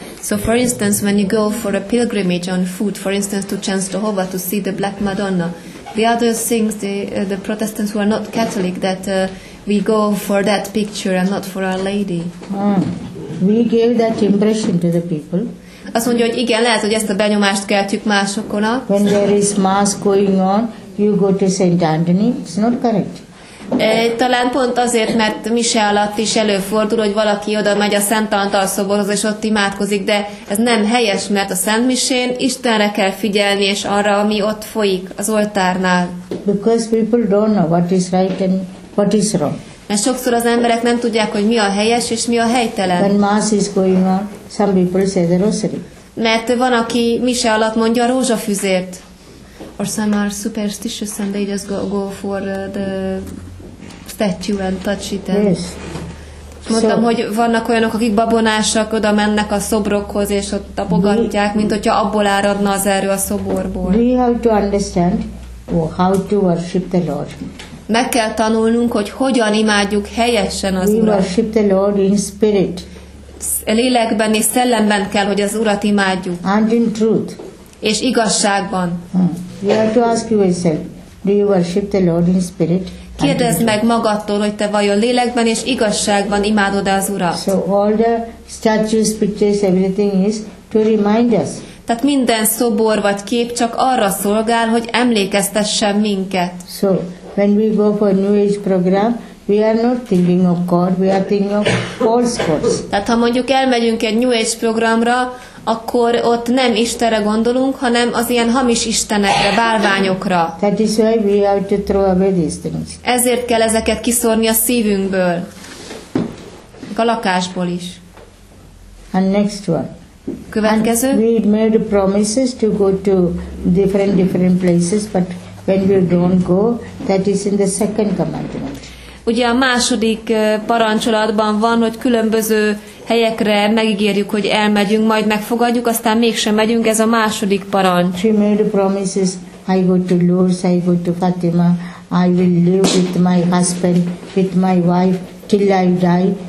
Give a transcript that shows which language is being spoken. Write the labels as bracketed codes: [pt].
[en] So for instance, when you go for a pilgrimage on foot, for instance to Częstochowa to see the Black Madonna, the other things, the Protestants who are not Catholic, that we go for that picture and not for Our Lady. Ah. We gave that impression to the people. [hu] Azt mondja, hogy igen, lehet, hogy ezt a benyomást keltjük másokonak. [en] When there is mass going on, you go to St. Anthony. It's not correct. [hu] Talán pont azért, mert mise alatt is előfordul, hogy valaki oda megy a Szent Antal szoborhoz, és ott imádkozik, de ez nem helyes, mert a Szent Misén Istenre kell figyelni, és arra, ami ott folyik az oltárnál. [en] Because people don't know what is right and what is wrong. [hu] Mert sokszor az emberek nem tudják, hogy mi a helyes és mi a helytelen. [en] When mass is going on, some people say the rosary. [hu] Mert van, aki mise alatt mondja a rózsafüzért. [en] Or some are superstitious and they just go for the statue and touch it. Yes. [hu] Mondtam, so, hogy vannak olyanok, akik babonásak, oda mennek a szobrokhoz, és ott tapogatják, mint hogyha abból áradna az erő a szoborból. [en] We have to understand how to worship the Lord. [hu] Meg kell tanulnunk, hogy hogyan imádjuk helyesen az Urat. [en] We worship the Lord in spirit. [hu] Lélekben és szellemben kell, hogy az Urat imádjuk. [en] And in truth. [hu] És igazságban. [en] You have to ask yourself, do you worship the Lord in spirit? [hu] Kérdezd meg magadtól, hogy te vajon lélekben és igazságban imádod-e az Urat. [en] So all the statues, pictures, everything is to remind us. [hu] Tehát minden szobor vagy kép csak arra szolgál, hogy emlékeztessen minket. [en] So, when we go for New Age program, we are not thinking of God, we are thinking of false gods. [hu] Tehát ha mondjuk elmegyünk egy New Age programra, akkor ott nem Istenre gondolunk, hanem az ilyen hamis istenekre, bálványokra. [en] That is why we have to throw away these things. [hu] Ezért kell ezeket kiszórni a szívünkből, a lakásból is. [en] And next one. [hu] Következő. [en] And we made promises to go to different places, but when we don't go, that is in the second commandment. [hu] Ugye a második parancsolatban van, hogy különböző helyekre megígérjük, hogy elmegyünk, majd megfogadjuk, aztán mégsem megyünk, ez a második parancs. [en] She made promises, I go to Lourdes, I go to Fatima, I will live with my husband, with my wife, till I die.